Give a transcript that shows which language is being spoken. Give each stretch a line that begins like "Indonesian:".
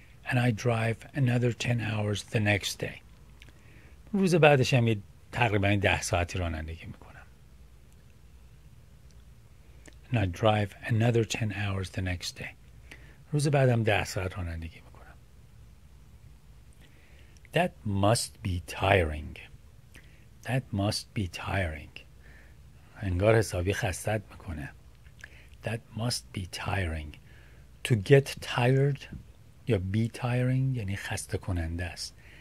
English: And I drive another 10 hours the next day.
Persian: روز بعدش هم تقریبا 10 ساعتی رانندگی میکنم.
English: And I drive another 10 hours the next day.
Persian: روز بعدم 10 ساعت رانندگی میکنم.
English: That must be tiring. That must be tiring.
Persian: انگار حسابی خستت میکنه.
English: That must be tiring. To get tired
Persian: یا
English: be tiring
Persian: یعنی خسته کننده است.